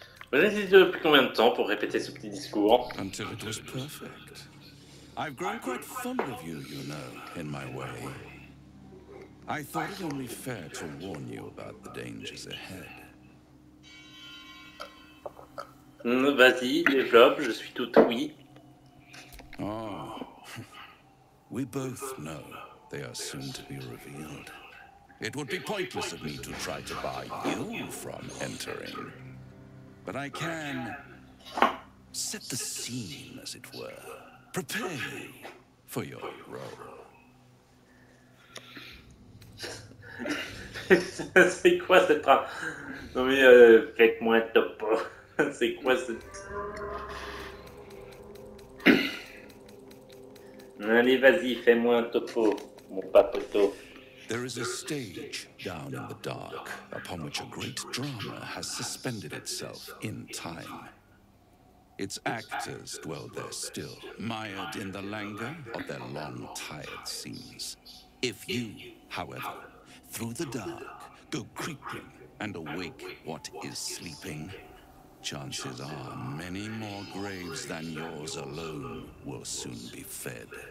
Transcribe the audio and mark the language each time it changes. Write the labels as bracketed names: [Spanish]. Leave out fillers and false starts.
[French] Vous avez hésité depuis combien de temps pour répéter ce petit discours? [English] Until it was perfect. I've grown quite fond of you, you know, in my way. I thought it only fair to warn you about the dangers ahead. [French] Vas-y, développe, je suis tout oui. Oh. [English] We both know they are soon to be revealed. It would be pointless of me to try to buy you from entering. But I can set the scene, as it were. Prepare you for your role. [French] C'est quoi cette phrase? Non mais faites-moi top. C'est quoi cette... Allez, vas-y, fais-moi un topo, mon papoto. [English] There is a stage down in the dark upon which a great drama has suspended itself in time. Its actors dwell there still, mired in the languor of their long tired scenes. If you, however, through the dark, go creeping and awake what is sleeping, chances are many more graves than yours alone will soon be fed.